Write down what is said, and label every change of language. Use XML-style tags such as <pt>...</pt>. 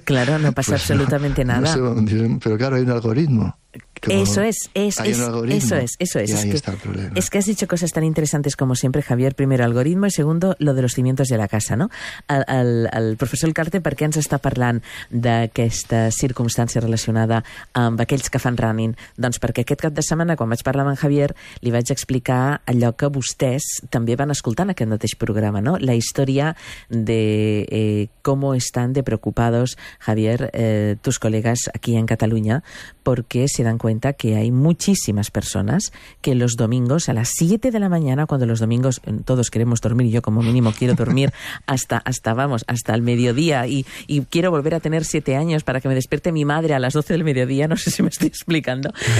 <es>Claro, no pasa pues absolutamente nada. Pero claro, hay un algoritmo. Eso es. Y ahí está el problema. Es que has dicho cosas tan interesantes como siempre, Javier. Primero, algoritmo, y segundo, lo de los cimientos de la casa, ¿no?</es> <ca>Al professor Elcarte, per què ens està parlant d'aquesta circumstància relacionada amb aquells que fan running? Doncs perquè aquest cap de setmana, quan vaig parlar amb en Javier, li vaig explicar allò que vostès també van escoltar en aquest mateix programa, ¿no? La història de</ca> <es>cómo están de preocupados, Javier, tus colegas aquí en Cataluña, porque se dan cuenta que hay muchísimas personas que los domingos a las 7 de la mañana, cuando los domingos todos queremos dormir, yo como mínimo quiero dormir hasta el mediodía y quiero volver a tener 7 años para que me despierte mi madre a las 12 del mediodía, no sé si me estoy explicando,</es>